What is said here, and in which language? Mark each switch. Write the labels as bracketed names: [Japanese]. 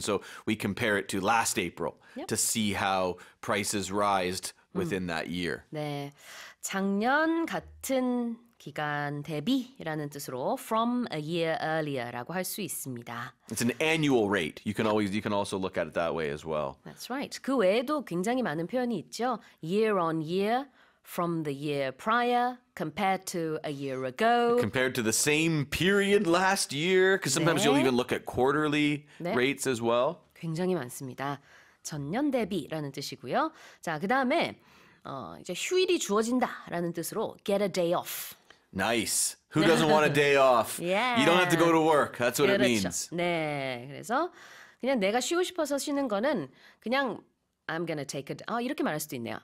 [English] So we compare it to last April yep. to see how prices rised within mm. that year. [Korean] 네. 작년 같은 기간 대비라는 뜻으로 [English] from a year earlier [Korean] 라고 할 수 있습니다. [English] It's an annual rate. You can always you can also look at it that way as well. That's right. [Korean] 그 외에도 굉장히 많은 표현이 있죠. [English] Year on year, from the year prior, compared to a year ago. Compared to the same period last year, because sometimes 네. you'll even look at quarterly 네. rates as well. [Korean] 굉장히 많습니다. 전년 대비라는 뜻이고요. 자, 그다음에 이제 휴일이 주어진다라는 뜻으로 [English] get a day off. Nice. Who doesn't want a day off? Yeah. You don't have to go to work. That's what [Korean] 그렇죠. [English] it means. [Korean] 네. 그래서 그냥 내가 쉬고 싶어서 쉬는 거는 그냥 [English] I'm going to take a [Korean] 이렇게 말할 수도 있네요.